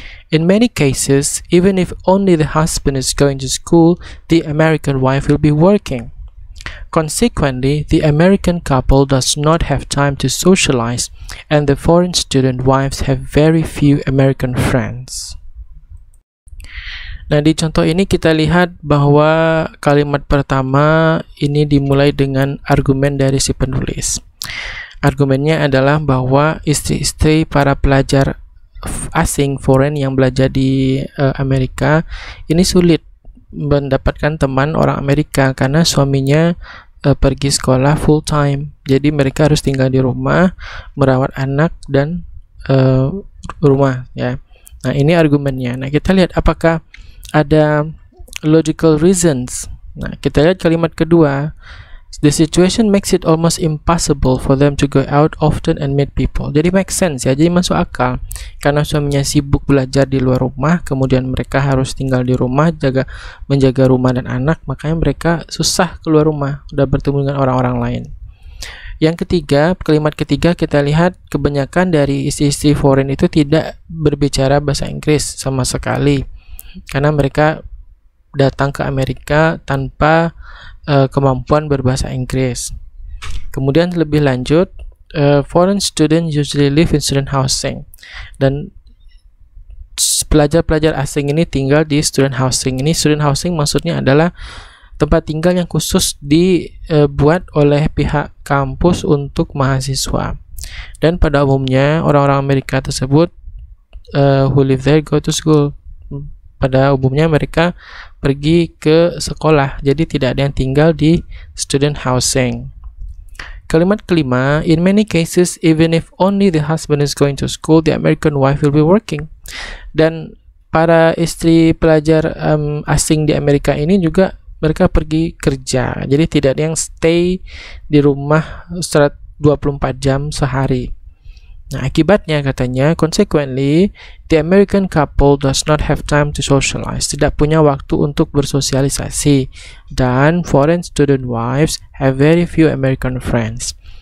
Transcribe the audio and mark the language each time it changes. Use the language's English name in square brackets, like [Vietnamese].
[English] In many cases, even if only the husband is going to school, the American wife will be working. Consequently, the American couple does not have time to socialize, and the foreign student wives have very few American friends. [Indonesian] Nah, di contoh ini kita lihat bahwa kalimat pertama ini dimulai dengan argumen dari si penulis. Argumennya adalah bahwa istri-istri para pelajar asing, foreign yang belajar di Amerika, ini sulit mendapatkan teman orang Amerika karena suaminya pergi sekolah full time. Jadi mereka harus tinggal di rumah, merawat anak dan rumah ya. Nah, ini argumennya. Nah, kita lihat apakah ada logical reasons. Nah, kita lihat kalimat kedua. [English] The situation makes it almost impossible for them to go out often and meet people. [Indonesian] Jadi make sense ya, jadi masuk akal. Karena suaminya sibuk belajar di luar rumah, kemudian mereka harus tinggal di rumah, menjaga rumah dan anak, makanya mereka susah keluar rumah, udah bertemu dengan orang-orang lain. Yang ketiga, kalimat ketiga, kita lihat kebanyakan dari istri-istri foreign itu tidak berbicara bahasa Inggris sama sekali. Karena mereka datang ke Amerika tanpa kemampuan berbahasa Inggris. Kemudian lebih lanjut, [English] foreign students usually live in student housing. [Indonesian] Dan pelajar-pelajar asing ini tinggal di student housing. Ini student housing maksudnya adalah tempat tinggal yang khusus dibuat oleh pihak kampus untuk mahasiswa. Dan pada umumnya, orang-orang Amerika tersebut [English] who live there go to school. [Indonesian] Pada umumnya mereka pergi ke sekolah, jadi tidak ada yang tinggal di student housing. Kalimat kelima, [English] in many cases, even if only the husband is going to school, the American wife will be working. [Indonesian] Dan para istri pelajar asing di Amerika ini juga mereka pergi kerja, jadi tidak ada yang stay di rumah 24 jam sehari. Nah, akibatnya katanya, [English] consequently, the American couple does not have time to socialize, [Indonesian] tidak punya waktu untuk bersosialisasi, dan [English] foreign student wives have very few American friends.